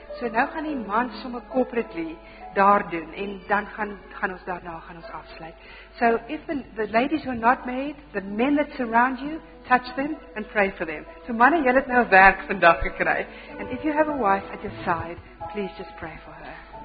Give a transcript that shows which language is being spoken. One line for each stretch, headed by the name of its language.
Afrikaans: So nou gaan die man sommer corporately daar doen, en dan gaan ons daarna, gaan ons afsluit.
English: So if the ladies who are not married, the men that surround you, touch them and pray for them.
Afrikaans: So manne, jy het nou werk vandag gekry.
English: And if you have a wife at your side, please just pray for her.